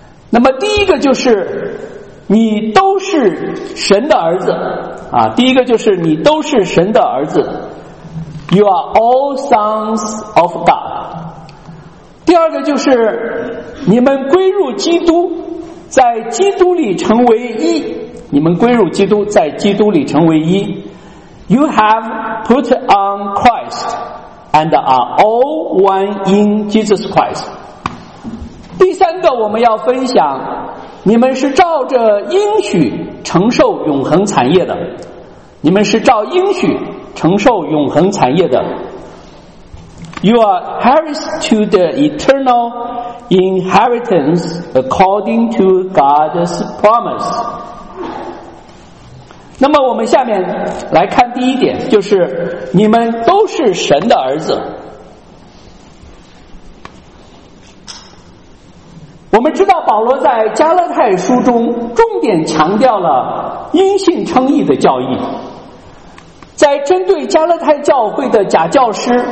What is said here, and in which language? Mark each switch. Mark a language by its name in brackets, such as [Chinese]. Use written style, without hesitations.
[Chinese] 那么第一个就是你都是神的儿子啊，第一个就是你都是神的儿子。 [English] You are all sons of God. [Chinese] 第二个就是你们归入基督，在基督里成为一。你们归入基督，在基督里成为一。 [English] You have put on Christ and are all one in Jesus Christ. [Chinese] 第三个我们要分享，你们是照着应许承受永恒产业的。你们是照应许承受永恒产业的。 [English] You are heirs to the eternal inheritance according to God's promise. [Chinese] 那么我们下面来看第一点，就是你们都是神的儿子。我们知道保罗在加勒太书中重点强调了因信称义的教义，在针对加勒太教会的假教师、